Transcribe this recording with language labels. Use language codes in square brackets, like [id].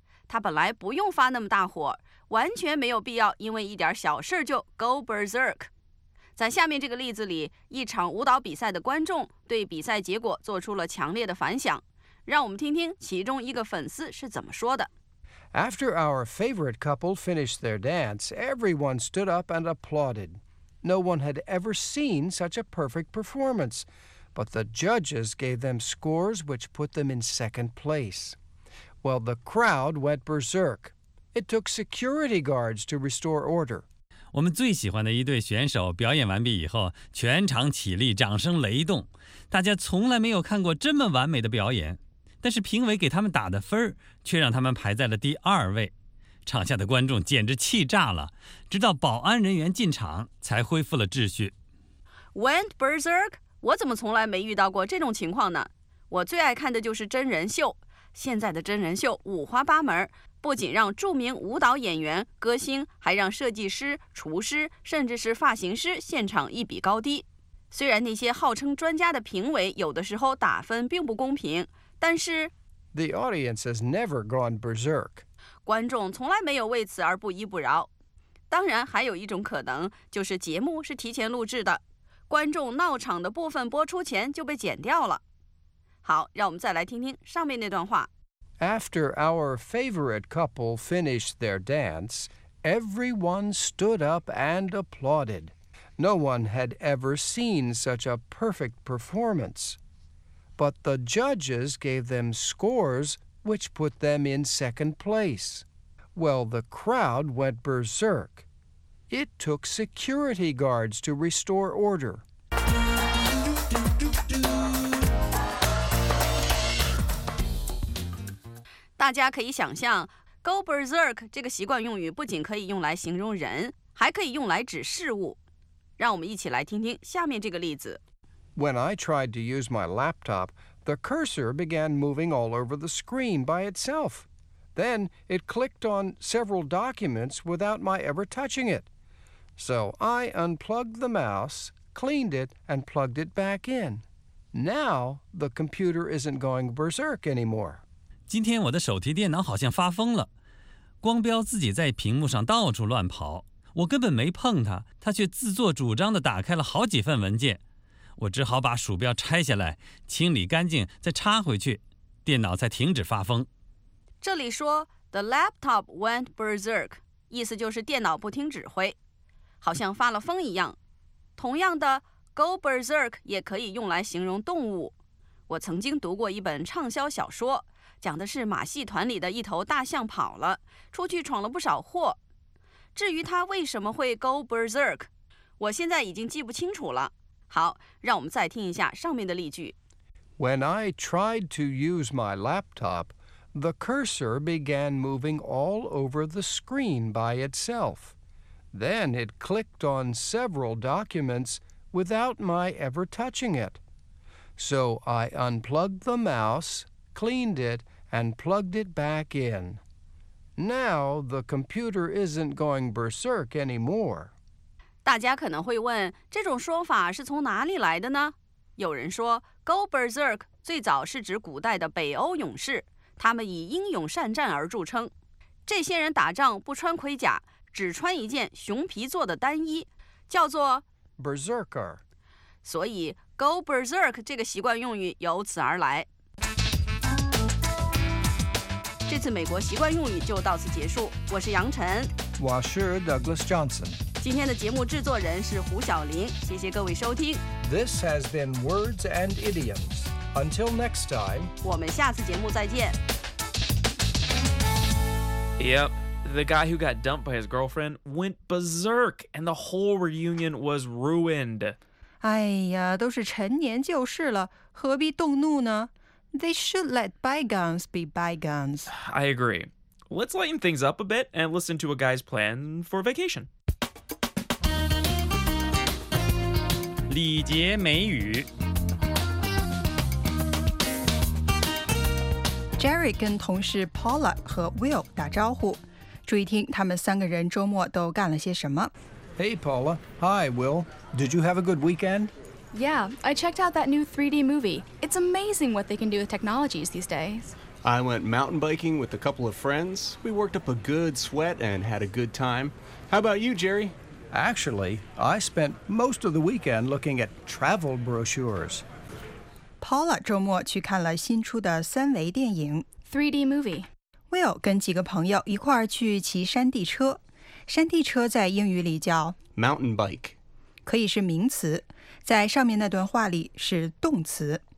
[zh] 她本来不用发那么大火，完全没有必要因为一点小事就 [en] Go berserk。 [zh] 在下面这个例子里，一场舞蹈比赛的观众对比赛结果做出了强烈的反响。让我们听听其中一个粉丝是怎么说的。 [en] After our favorite couple finished their dance, everyone stood up and applauded. No one had ever seen such a perfect performance, but the judges gave them scores which put them in second place. Well, the crowd went berserk. It took security guards to restore order. [zh] 我们最喜欢的一对选手表演完毕以后，全场起立，掌声雷动，大家从来没有看过这么完美的表演。但是评委给他们打的分却让他们排在了第二位，场下的观众简直气炸了，直到保安人员进场才恢复了秩序。 [en] Went berserk? [zh] 我怎么从来没遇到过这种情况呢？我最爱看的就是真人秀，现在的真人秀五花八门，不仅让著名舞蹈演员、歌星，还让设计师、厨师，甚至是发型师现场一比高低。虽然那些号称专家的评委有的时候打分并不公平，但是 [en] The audience has never gone berserk. [zh] 观众从来没有为此而不依不饶。当然，还有一种可能，就是节目是提前录制的，观众闹场的部分播出前就被剪掉了。好，让我们再来听听上面那段话。 [en] After our favorite couple finished their dance, everyone stood up and applauded. No one had ever seen such a perfect performance. But the judges gave them scores which put them in second place. Well, the crowd went berserk. It took security guards to restore order. [zh] 大家可以想象 [en] go berserk [zh] 这个习惯用语不仅可以用来形容人，还可以用来指事物。让我们一起来听听下面这个例子。 [en] When I tried to use my laptop, the cursor began moving all over the screen by itself. Then it clicked on several documents without my ever touching it. So I unplugged the mouse, cleaned it, and plugged it back in. Now the computer isn't going berserk anymore. [zh] 今天我的手提电脑好像发疯了，光标自己在屏幕上到处乱跑，我根本没碰它，它却自作主张地打开了好几份文件，我只好把鼠标拆下来，清理干净，再插回去，电脑才停止发疯。这里说 [en] The laptop went berserk， [zh] 意思就是电脑不听指挥，好像发了疯一样。同样的 [en] Go berserk [zh] 也可以用来形容动物。我曾经读过一本畅销小说，讲的是马戏团里的一头大象跑了，出去闯了不少祸。至于它为什么会 [en] go berserk， [zh] 我现在已经记不清楚了。好，让我们再听一下上面的例句。 [en] When I tried to use my laptop, the cursor began moving all over the screen by itself. Then it clicked on several documents without my ever touching it. So I unplugged the mouse, cleaned it,and plugged it back in. Now the computer isn't going berserk anymore. [zh] 大家可能会问，这种说法是从哪里来的呢？有人说 [en] go berserk [zh] 最早是指古代的北欧勇士，他们以英勇善战而著称。这些人打仗不穿盔甲，只穿一件熊皮做的单衣，叫做 [en] berserker。 [zh] 所以 [en] go berserk [zh] 这个习惯用语由此而来。这次美国习惯用语就到此结束，我是杨晨，我是 Douglas Johnson，今天的节目制作人是胡晓玲，谢谢各位收听。 [en] This has been Words and Idioms. Until next time， [zh] 我们下次节目再见。 [en] Yep, the guy who got dumped by his girlfriend went berserk and the whole reunion was ruined. [zh] 哎呀，都是陈年旧事了，何必动怒呢？ [en] They should let bygones be bygones. I agree. Let's lighten things up a bit and listen to a guy's plan for vacation. [zh] 礼节美语。 Jerry 跟同事 Paula 和 Will 打招呼，注意听他们三个人周末都干了些什么。 [en] Hey Paula. Hi Will. Did you have a good weekend? Yeah, I checked out that new 3D movie. It's amazing what they can do with technologies these days. I went mountain biking with a couple of friends. We worked up a good sweat and had a good time. How about you, Jerry? Actually, I spent most of the weekend looking at travel brochures. [zh] Paula 周末去看了新出的三维电影 [en] 3D movie. [zh] Will 跟几个朋友一块儿去骑山地车。山地车在英语里叫 [en] mountain bike， [zh] 可以是名词。在上面那段话里是动词。